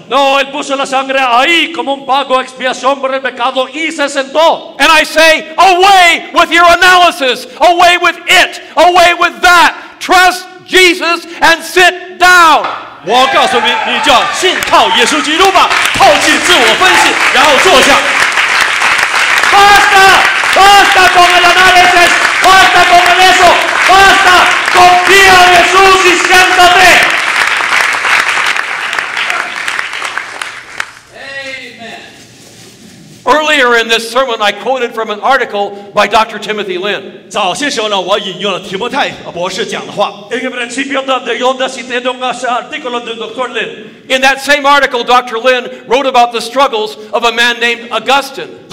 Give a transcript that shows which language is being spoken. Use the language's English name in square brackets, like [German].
[Spanish] No, él puso la sangre ahí como un pago expiación por el pecado y se sentó. [English] And I say, away with your analysis, away with it, away with that. Trust Jesus and sit down. [Chinese] 我告诉你，你就要信靠耶稣基督吧，抛弃自我分析，然后坐下。 [Spanish] Basta, basta con el análisis, basta con el eso. Basta, confía en Jesús y siéntate. [English] Earlier in this sermon, I quoted from an article by Dr. Timothy Lin. [Chinese] 早些时候呢，我引用了提摩太博士讲的话。 [English] In that same article, Dr. Lin wrote about the struggles of a man named Augustine.